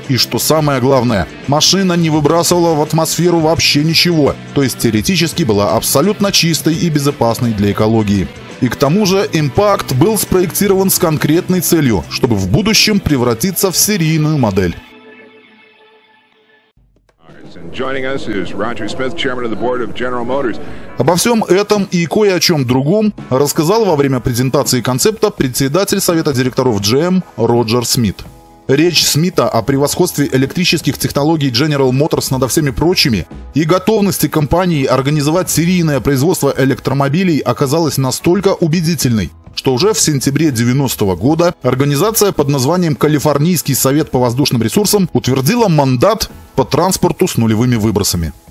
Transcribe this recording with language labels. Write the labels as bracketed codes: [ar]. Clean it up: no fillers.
[ru] И что самое главное, машина не выбрасывала в атмосферу вообще ничего, то есть теоретически была абсолютно чистой и безопасной для экологии. И к тому же Impact был спроектирован с конкретной целью, чтобы в будущем превратиться в серийную модель. [en] Joining us is Roger Smith, chairman of the board of General Motors. [ru] Обо всем этом и кое о чем другом рассказал во время презентации концепта председатель совета директоров GM Роджер Смит. Речь Смита о превосходстве электрических технологий General Motors над всеми прочими и готовности компании организовать серийное производство электромобилей оказалась настолько убедительной, что уже в сентябре 90 года организация под названием «Калифорнийский совет по воздушным ресурсам» утвердила мандат по транспорту с нулевыми выбросами.